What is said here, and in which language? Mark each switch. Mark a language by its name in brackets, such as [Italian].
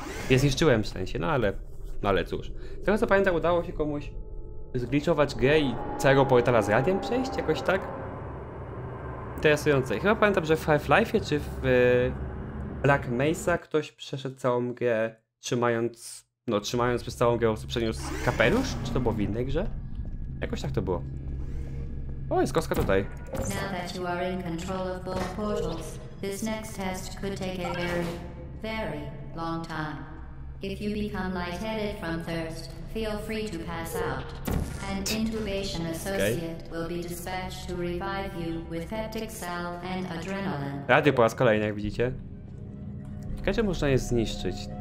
[Polish] Nie zniszczyłem w sensie, no ale... No ale cóż. Z tego co pamiętam, udało się komuś zgliczować grę i całego portala z radiem przejść? Jakoś tak? Interesujące. Chyba pamiętam, że w Half-Life'ie czy w Black Mesa ktoś przeszedł całą grę trzymając... No trzymając przez całą grę, przeniósł kapelusz? Czy to było w innej grze? Jakoś tak to było. O, jest kostka tutaj. [English] Now that you are in control of both portals, this next test could take a very, very long time. If you become lightheaded from thirst, feel free to pass out. An intubation associate okay. will be dispatched to revive you with peptic cell and adrenaline. [Polish] Radio po raz kolejny, jak widzicie. Jakie można je zniszczyć?